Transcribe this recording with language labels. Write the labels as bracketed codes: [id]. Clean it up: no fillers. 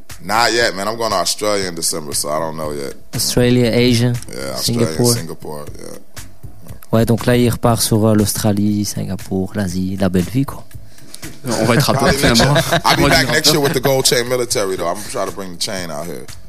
[en] Not yet, man. I'm going to Australia in December, so I don't know yet. Australia, Asia, yeah, Singapore. Singapore, yeah. [fr] Ouais, donc là, il repart sur l'Australie, Singapour, l'Asie, la belle vie, quoi. On va être rappelé, finalement. [en] I'll be back next year with the gold chain military, though. I'm trying to bring the chain out here.